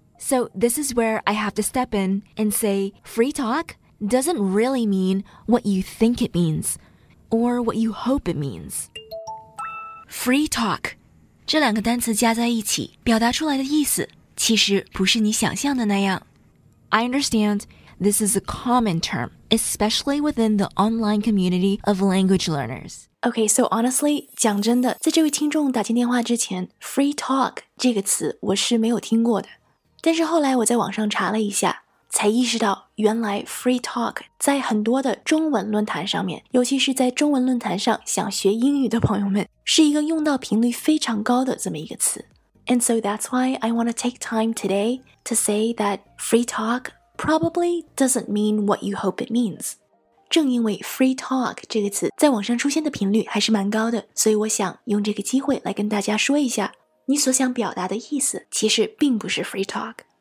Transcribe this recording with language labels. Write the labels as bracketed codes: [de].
[en] So this is where I have to step in and say free talk doesn't really mean what you think it means or what you hope it means. Free talk. [zh] 这两个单词加在一起表达出来的意思其实不是你想象的那样。 [en] I understand this is a common term, especially within the online community of language learners. Okay, so honestly, [zh] 讲真的在这位听众打进电话之前 free talk 这个词我是没有听过的。但是后来我在网上查了一下才意识到原来 free talk 在很多的中文论坛上面尤其是在中文论坛上想学英语的朋友们是一个用到频率非常高的这么一个词。 [en] And so that's why I want to take time today to say that free talk probably doesn't mean what you hope it means. [zh] 正因为 free talk 这个词在网上出现的频率还是蛮高的所以我想用这个机会来跟大家说一下你所想表达的意思其实并不是 free talk.